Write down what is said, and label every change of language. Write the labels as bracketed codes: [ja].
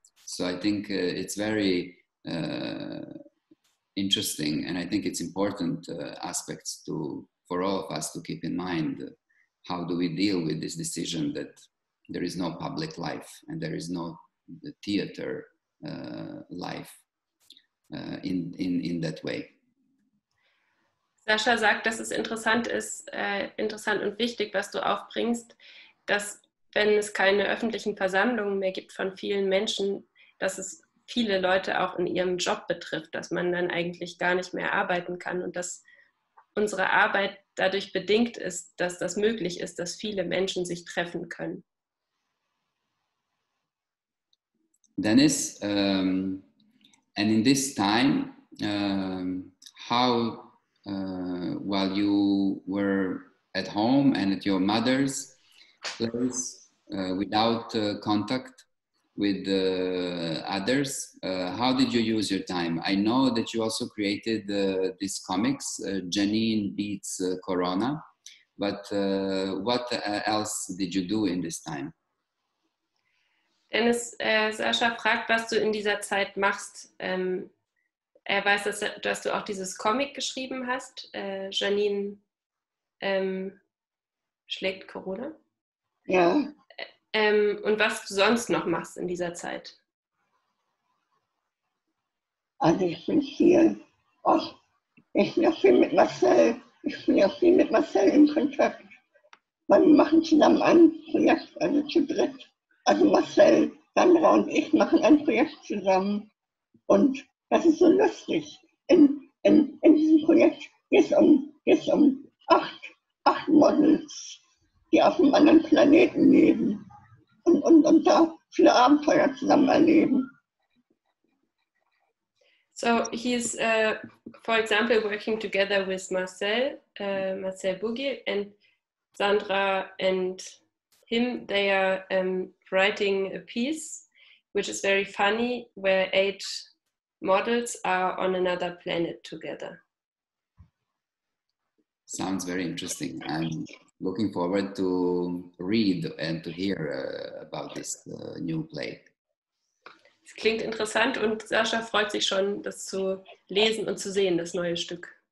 [en] So I think it's very interesting, and I think it's important aspects to for all of us to keep in mind. How do we deal with this decision that there is no public life and there is no the theater life in that way. [de] Sascha sagt, dass es interessant ist, interessant und wichtig, was du aufbringst, dass wenn es keine öffentlichen Versammlungen mehr gibt von vielen Menschen, dass es viele Leute auch in ihrem Job betrifft, dass man dann eigentlich gar nicht mehr arbeiten kann und dass unsere Arbeit dadurch bedingt ist, dass das möglich ist, dass viele Menschen sich treffen können. [en] Dennis, and in this time, how, while you were at home and at your mother's place, without contact with others, how did you use your time? I know that you also created these comics, Janine Beats Corona, but what else did you do in this time? [de] Dennis, Sascha fragt, was du in dieser Zeit machst. Er weiß, dass du auch dieses Comic geschrieben hast. Janine schlägt Corona. Ja. Und was du sonst noch machst in dieser Zeit? Also ich bin viel. Oh, ich bin auch viel mit Marcel. Ich bin auch viel mit Marcel in Kontakt. Wir machen zusammen ein Projekt, also zu dritt. Also Marcel, Sandra und ich machen ein Projekt zusammen. Und das ist so lustig. In diesem Projekt geht es um acht Models, die auf einem anderen Planeten leben und da viele Abenteuer zusammen erleben. [en] So he's, for example, working together with Marcel, Marcel Bougier and Sandra and him, they are writing a piece which is very funny, where eight models are on another planet together. Sounds very interesting. I'm looking forward to read and to hear about this new play. [de] Es klingt interessant und Sascha freut sich schon, das zu lesen und zu sehen, das neue Stück.